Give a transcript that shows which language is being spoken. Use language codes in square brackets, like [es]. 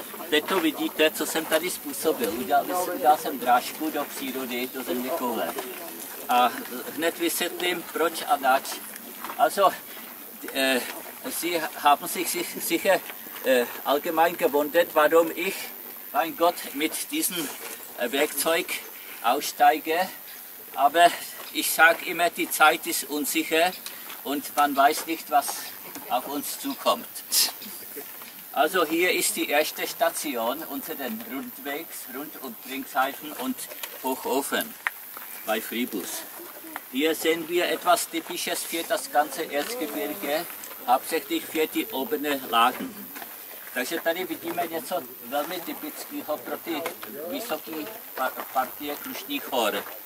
[cs] Teď to vidíte, co jsem tady způsobil. Udělal jsem drážku do přírody, do země koule. A hned vysvětlím, proč a nač. [de] Also, Sie haben sich sicher allgemein gewundert, warum ich mein Gott, mit diesem Werkzeug aussteige, aber ich sage immer, die Zeit ist unsicher und man weiß nicht, was auf uns zukommt. Also hier ist die erste Station unter den Rundwegs, rund um Dringsheifen und Hochofen bei Fribus. Hier sehen wir etwas Typisches für das ganze Erzgebirge, hauptsächlich für die obere Lagen. [cs] Takže tady vidíme něco velmi typického pro ty vysoké partie Krušných hor.